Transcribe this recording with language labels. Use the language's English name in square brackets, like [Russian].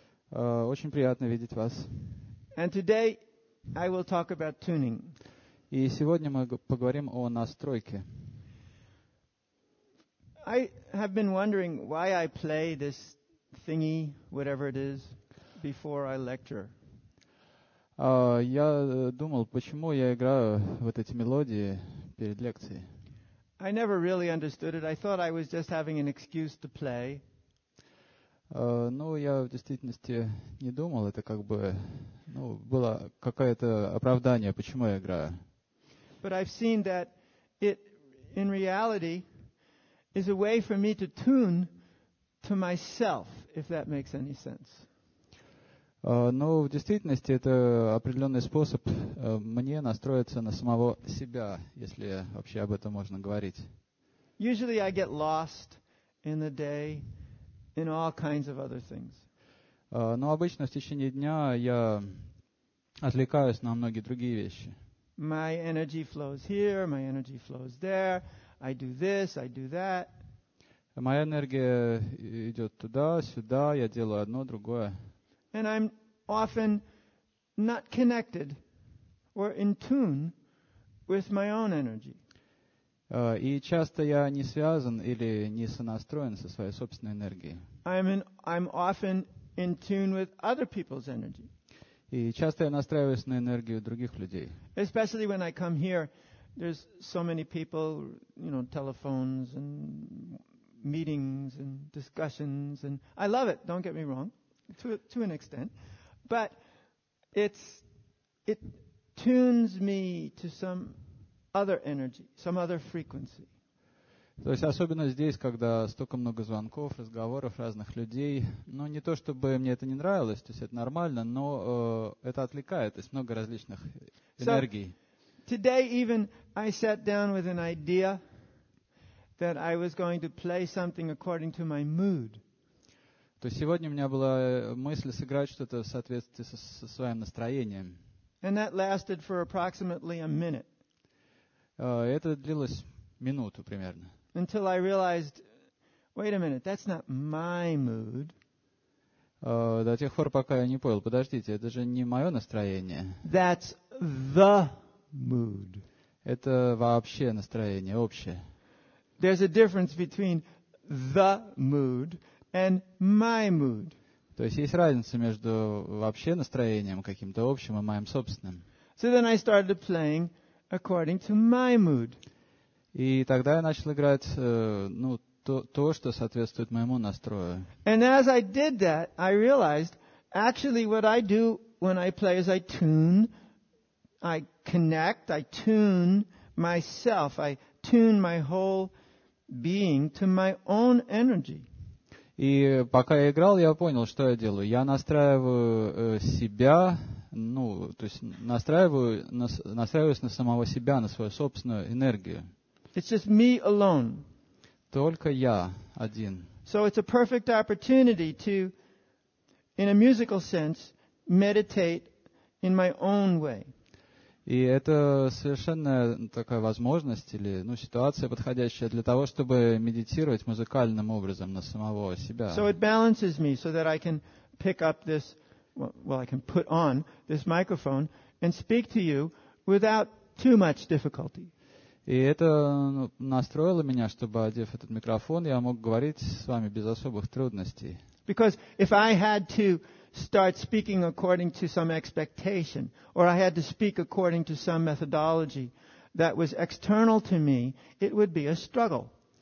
[Russian] Очень приятно видеть вас. [English] And today I will talk about tuning. [Russian] И сегодня мы поговорим о настройке. [English] I have been wondering why I play this thingy, whatever it is, before I lecture. [Russian] Я думал, почему я играю вот эти мелодии перед лекцией. [English] I never really understood it. I thought I was just having an excuse to play. [Russian] Ну, я в действительности не думал, это как бы, ну, было какое-то оправдание, почему я играю. [English] But I've seen that it, in reality, is a way for me to tune to myself, if that makes any sense. [Russian] Но в действительности это определенный способ мне настроиться на самого себя, если вообще об этом можно говорить. Но обычно в течение дня я отвлекаюсь на многие другие вещи. [English] My energy flows here, my energy flows there, I do this, I do that. [Russian] Моя энергия идет туда, сюда, я делаю одно, другое. [English] And I'm often not connected or in tune with my own energy. [Russian] И часто я не связан или не сонастроен со своей собственной энергией. [English] I'm often in tune with other people's energy. [Russian] И часто я настраиваюсь на энергию других людей. [English] Especially when I come here, there's so many people, you know, telephones and meetings and discussions, and I love it, don't get me wrong, to an extent. But it tunes me to some other energy, some other frequency. [Russian] То есть особенно здесь, когда столько много звонков, разговоров разных людей, ну не то чтобы мне это не нравилось, то есть это нормально, но это отвлекает, то есть много различных энергий. [English] So, today even I sat down with an idea that I was going to play something according to my mood. [Russian] То сегодня у меня была мысль сыграть что-то в соответствии со своим настроением. [English] And that lasted for approximately a minute. [Russian] Это длилось минуту примерно. [English] Until I realized, wait a minute, that's not my mood. [Russian] До тех пор, пока я не понял, подождите, это же не мое настроение. [English] That's the mood. [Russian] Это вообще настроение, общее. [English] There's a difference between the mood and my mood. [Russian] То есть есть разница между вообще настроением каким-то общим и моим собственным. [English] So then I started playing according to my mood. [Russian] И тогда я начал играть ну, то, что соответствует моему настрою. [English] And as I did that, I realized actually what I do when I play is I tune, I connect, I tune myself, I tune my whole being to my own energy. [Russian] И пока я играл, я понял, что я делаю. Я настраиваю себя, ну, то есть настраиваюсь на самого себя, на свою собственную энергию. [English] It's just me alone. [Russian] Только я один. [English] So it's a perfect opportunity to, in a musical sense, meditate in my own way. [Russian] И это совершенно такая возможность или ну, ситуация подходящая для того, чтобы медитировать музыкальным образом на самого себя. [English] So it balances me so that I can pick up this, well, I can put on this microphone and speak to you without too much difficulty. [Russian] И это настроило меня, чтобы, одев этот микрофон, я мог говорить с вами без особых трудностей. [English] Because if I had to start speaking according to some expectation, or I had to speak according to some methodology that was external to me, it would be a struggle.